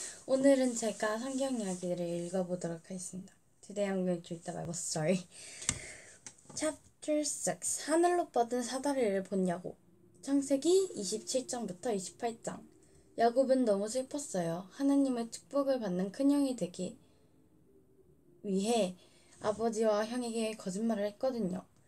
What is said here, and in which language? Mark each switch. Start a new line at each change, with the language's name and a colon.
Korean: 오늘은 제가 성경 이야기를 읽어보도록 하겠습니다.
English: Today I'm going to read the Bible story. Chapter 6.
Korean: 하늘로 뻗은 사다리를 본 야곱. 창세기 27장부터 28장. 야곱은 너무 슬펐어요. 하나님의 축복을 받는 큰 형이 되기 위해 아버지와 형에게 거짓말을 했거든요.